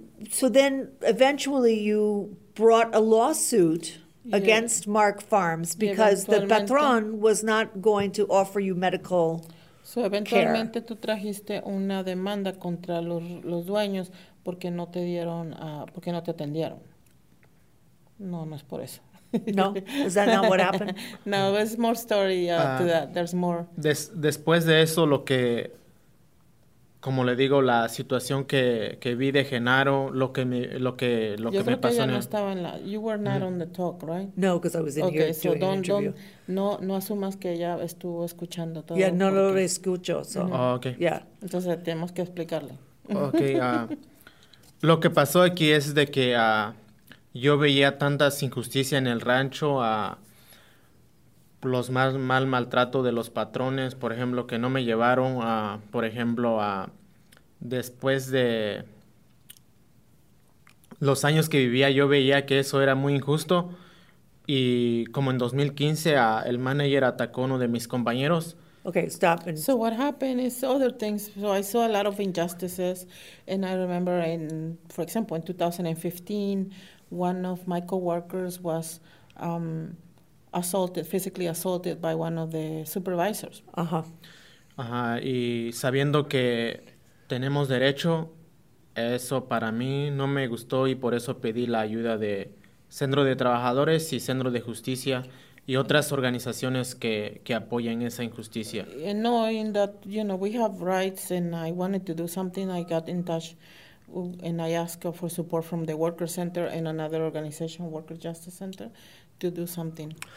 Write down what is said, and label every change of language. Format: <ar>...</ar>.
<en>So then eventually you brought a lawsuit against Mark Farms because the patron was not going to offer you medical care.</en> <es>So eventualmente tú trajiste una demanda contra los dueños porque no te dieron porque no te atendieron. No es por eso.</es> <en>No, is that not what happened? No, there's more story to that. There's more.</en> <es>Después de eso lo que como le digo, la situación que vi de Genaro, lo que me pasó. Yo creo que ya no estaba en la...</es> <en>You were not on the talk, right? No, because I was in okay, here so doing the interview.</en> <es>No asumas que ella estuvo escuchando todo. Yeah, no porque... lo escucho, so...</es> <en>Oh, okay. Yeah.</en> <es>Entonces, tenemos que explicarle.</es> <en>Ok.</en> <es>lo que pasó aquí es de que yo veía tantas injusticias en el rancho, los más mal maltrato de los patrones, por ejemplo, que no me llevaron a, por ejemplo, a después de los años que vivía, yo veía que eso era muy injusto. Y como en 2015, el manager atacó a uno de mis compañeros.</es> <en>Okay, stop. So what happened is other things. So I saw a lot of injustices. And I remember, in, for example, in 2015, one of my coworkers was... physically assaulted by one of the supervisors.</en> <es>Y sabiendo que tenemos derecho, eso para mí no me gustó y por eso pedí la ayuda de Centro de Trabajadores y Centro de Justicia y otras organizaciones que apoyan esa injusticia.</es> <en>Knowing that, you know, we have rights and I wanted to do something, I got in touch and I asked for support from the Worker Center and another organization, Worker Justice Center, to do something.</en>